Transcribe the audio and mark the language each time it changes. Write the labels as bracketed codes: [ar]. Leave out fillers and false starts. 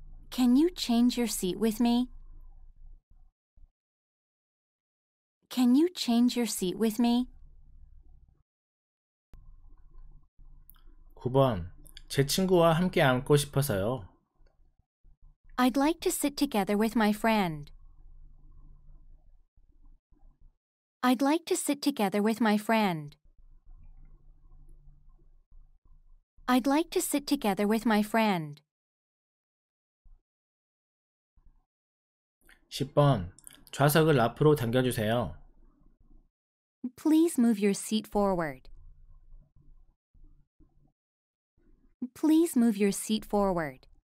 [en] Can you change your seat with me? Can you change your seat with me? [ko] 9번, 제 친구와 함께 앉고 싶어서요. [en] I'd like to sit together with my friend. I'd like to sit together with my friend. I'd like to sit together with my friend. [ko] 10번, 좌석을 앞으로 당겨주세요. [en] Please move your seat forward. Please move your seat forward.